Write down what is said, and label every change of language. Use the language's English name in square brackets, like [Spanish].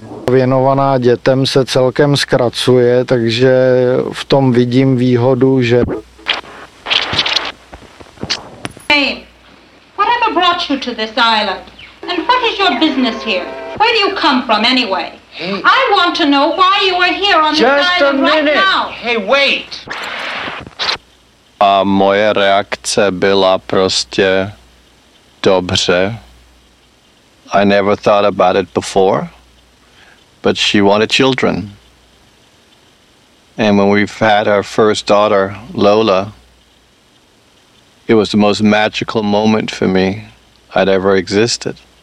[Czech] Věnovaná dětem se celkem zkracuje, takže v tom vidím výhodu, že... [English] Hey, whatever brought you to this island? And what is your business here? Where do you come from anyway? Hey. I want to know why you are here on just this island right now. Hey, wait! [Czech] A moje reakce byla prostě dobře. [English] I never thought about it before. But she wanted children. And when we've had our first daughter, Lola, it was the most magical moment for me I'd ever existed.